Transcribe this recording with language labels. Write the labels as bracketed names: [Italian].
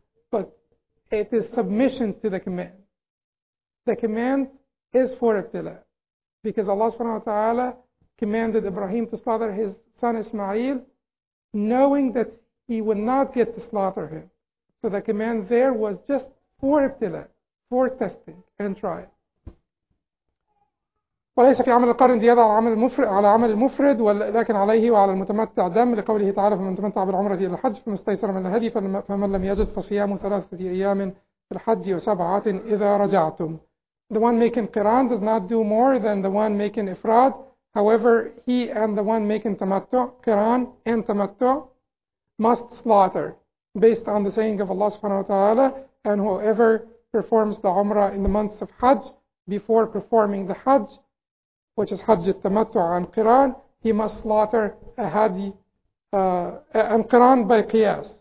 [English] But it is submission to the command. The command is for ibtila, because Allah subhanahu wa ta'ala commanded Ibrahim to slaughter his son Ismail, knowing that he would not get to slaughter him. So the command there was just for ibtila, for testing and trial. [Arabic] وليس في عمل القرن زيادة على عمل المفرد ولكن عليه وعلى المتمتع دم لقوله تعالى فمن تمتع بالعمرة إلى الحج فما استيسر من الهدي فمن لم يجد فصيام ثلاثة أيام في الحج وسبعة إذا رجعتم. [English] The one making قران does not do more than the one making إفراد. However, he and the one making تمتع, قران and تمتع, must slaughter based on the saying of Allah subhanahu wa ta'ala, and whoever performs the Umrah in the months of Hajj before performing the Hajj, which is Hajj al-Tamattu an Qiran, he must slaughter a Hadi, an Qiran by Qiyas.